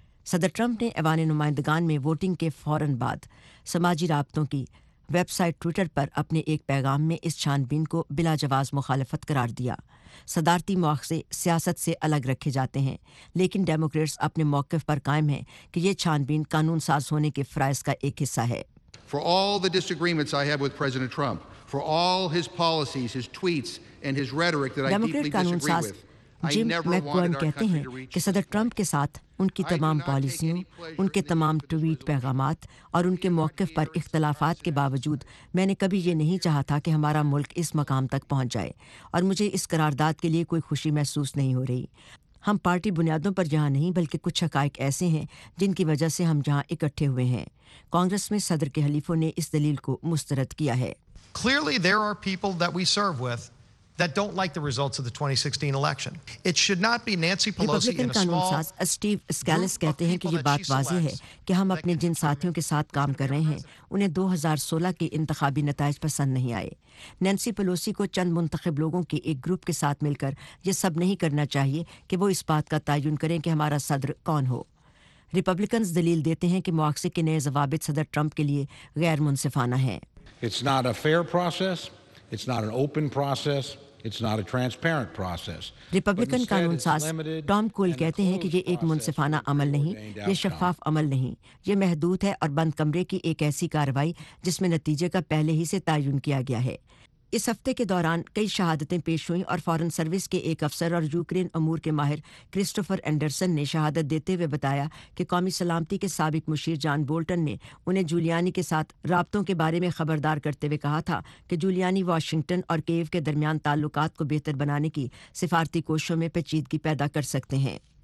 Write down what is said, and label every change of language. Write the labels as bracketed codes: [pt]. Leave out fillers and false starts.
[ur] صدر ٹرمپ نے ایوان نمائندگان میں ووٹنگ کے فوراً بعد سماجی رابطوں کی ویب سائٹ ٹویٹر پر اپنے ایک پیغام میں اس چھان بین کو بلا جواز مخالفت قرار دیا۔ صدارتی مواخذے سیاست سے الگ رکھے جاتے ہیں، لیکن ڈیموکریٹس اپنے موقف پر قائم ہیں کہ یہ چھان بین قانون ساز ہونے کے فرائض کا ایک حصہ ہے۔ [en] For all the disagreements I have with President Trump, for all his policies, his tweets, and his rhetoric that I deeply disagree with, [ur] جم میکوئرن کہتے ہیں کہ صدر ٹرمپ کے ساتھ ان کی تمام پالیسیوں، ان کے تمام ٹویٹ پیغامات اور ان کے موقف پر اختلافات کے باوجود میں نے کبھی یہ نہیں چاہا تھا کہ ہمارا ملک اس مقام تک پہنچ جائے، اور مجھے اس قرارداد کے لیے کوئی خوشی محسوس نہیں ہو رہی۔ ہم پارٹی بنیادوں پر یہاں نہیں بلکہ کچھ حقائق ایسے ہیں جن کی وجہ سے ہم یہاں اکٹھے ہوئے ہیں۔ کانگریس میں صدر کے حلیفوں نے اس دلیل کو مسترد کیا ہے۔ [en] Clearly there are people that we serve with that don't like the results of the 2016 election. It should not be Nancy Pelosi in a small [ur] Steve Scalise کہتے ہیں کہ یہ بات واضح ہے کہ ہم اپنے جن ساتھیوں کے ساتھ کام کر رہے ہیں انہیں 2016 کے انتخابی نتائج پسند نہیں آئے۔ نینسی پلوسی کو چند منتخب لوگوں کے ایک گروپ کے ساتھ مل کر یہ سب نہیں کرنا چاہیے کہ وہ اس بات کا تعین کریں کہ ہمارا صدر کون ہو۔ ریپبلکنز دلیل دیتے ہیں کہ مواخذے کے نئے ضوابط صدر ٹرمپ کے لیے غیر منصفانہ ہیں۔ [en] It's not a fair process. It's not an open process. It's not a transparent process. [ur] Republican قانون ساز ٹام کول کہتے ہیں کہ یہ ایک منصفانہ عمل نہیں، یہ شفاف عمل نہیں، یہ محدود ہے اور بند کمرے کی ایک ایسی کارروائی جس میں نتیجے کا پہلے ہی سے تعین کیا گیا ہے۔ اس ہفتے کے دوران کئی شہادتیں پیش ہوئیں اور فورن سروس کے ایک افسر اور یوکرین امور کے ماہر کرسٹوفر اینڈرسن نے شہادت دیتے ہوئے بتایا کہ قومی سلامتی کے سابق مشیر جان بولٹن نے انہیں جولیانی کے ساتھ رابطوں کے بارے میں خبردار کرتے ہوئے کہا تھا کہ جولیانی واشنگٹن اور کیو کے درمیان تعلقات کو بہتر بنانے کی سفارتی کوششوں میں پیچیدگی پیدا کر سکتے ہیں۔